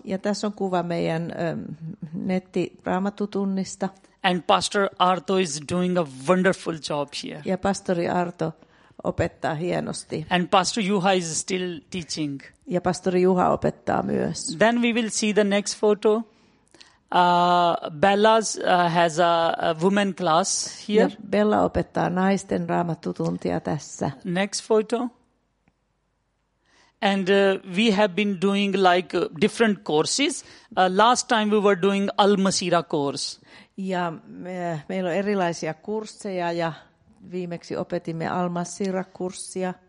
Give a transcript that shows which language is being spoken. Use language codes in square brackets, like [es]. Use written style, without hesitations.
[fi] Ja tässä on kuva meidän nettiraamatutunnista. [en] And Pastor Arto is doing a wonderful job here. [fi] Ja pastori Arto opettaa hienosti. [en] And Pastor Juha is still teaching. [fi] Ja pastori Juha opettaa myös. [en] Then we will see the next photo. Bella's has a woman class here. [fi] Ja Bella opettaa naisten raamattutuntia tässä. [en] Next photo. And we have been doing like different courses. Last time we were doing Al-Masira course. [fi] Ja meillä on erilaisia kursseja ja viimeksi opetimme Al-Masira kurssia.